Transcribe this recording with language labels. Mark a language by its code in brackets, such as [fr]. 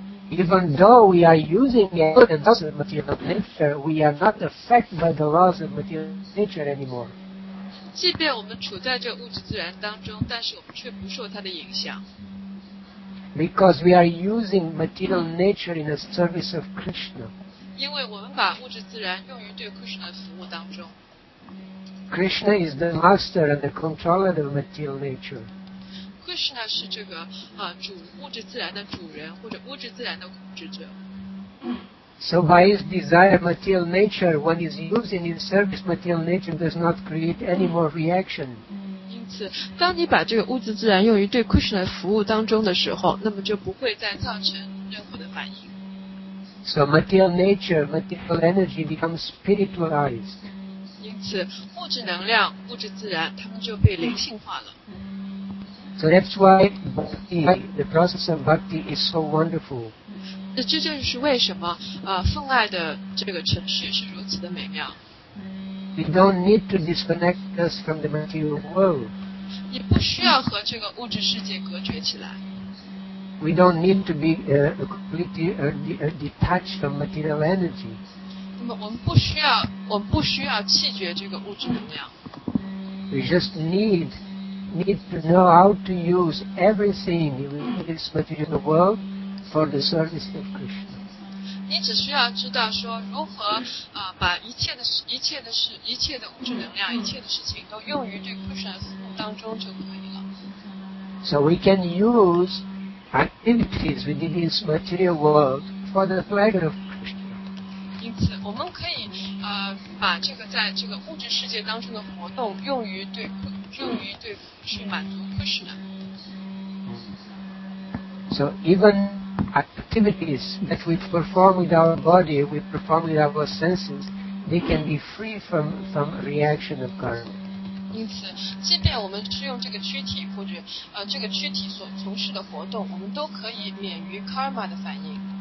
[en] Even though we are using the laws of material nature, we are not affected by the laws of material nature anymore. [zh] 即便我们处在这物质自然当中，但是我们却不受它的影响。 [en] Because we are using material nature in the service of Krishna. [zh] 因为我们把物质自然用于对 Krishna 的服务当中。 [en] Krishna is the master and the controller of material nature. [zh] Krishna 是这个主物质自然的主人或者物质自然的控制者。 [en] So by his desire material nature, one is using in service material nature does not create any more reaction. [zh] 当你把这个物质自然用于对 Krishna 服务当中的时候，那么就不会再造成任何的反应。 [en] So material nature, material energy becomes spiritualized. [zh] 因此，物质能量、物质自然，它们就被灵性化了。 [en] So that's why bhakti, the process of bhakti is so wonderful. [zh] 这就是为什么奉爱的这个程序是如此的美妙。 [en] We don't need to disconnect us from the material world. [zh] 你不需要和这个物质世界隔绝起来。 [en] We don't need to be detached from material energy. [zh] 那么我们不需要弃绝这个物质能量。 [en] We just need to know how to use everything in this material world for the service of Krishna. [zh] 你只需要知道说如何把一切的物质能量一切的事情都用于对 Krishna 的服务当中就可以了。 [en] So we can use activities within this material world for the pleasure of Krishna. [zh] 因此我们可以把这个在这个物质世界当中的活动用于对去满足 Krishna. [en] So evenActivities that we perform with our body, we perform with our senses, they can be free from reaction of karma. [zh] 因此，即便我们是用这个躯体或者这个躯体所从事的活动，我们都可以免于 karma 的反应。